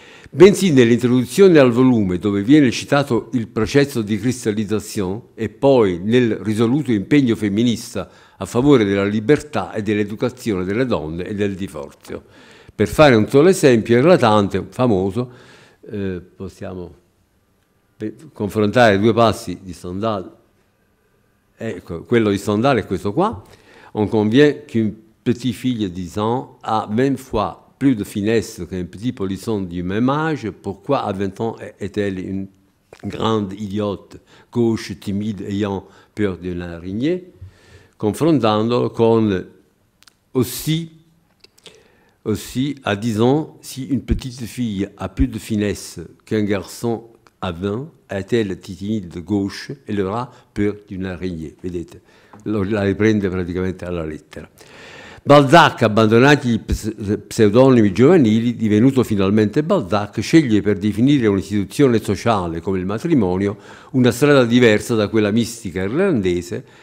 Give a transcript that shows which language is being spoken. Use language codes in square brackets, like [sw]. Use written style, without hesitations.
[it] Bensì nell'introduzione al volume, dove viene citato il processo di cristallizzazione, e poi nel risoluto impegno femminista a favore della libertà e dell'educazione delle donne e del divorzio. Per fare un solo esempio eclatante, famoso, possiamo confrontare due passi di Stendhal. Ecco, quello di Stendhal è questo qua. [fr] On convient qu'une petite fille di 10 ans a 20 fois plus de finesse qu'un petit polisson du même âge. Pourquoi à 20 ans est-elle une grande idiote, gauche, timide, ayant peur d'une araignée? [it] Confrontandolo con [fr] aussi à 10 ans, si une petite fille a plus de finesse qu'un garçon à 20, est-elle timide de gauche et aura peur d'une araignée? [it] Vedete, la riprende praticamente alla lettera. Balzac, abbandonati gli pseudonimi giovanili, divenuto finalmente Balzac, sceglie per definire un'istituzione sociale come il matrimonio una strada diversa da quella mistica irlandese.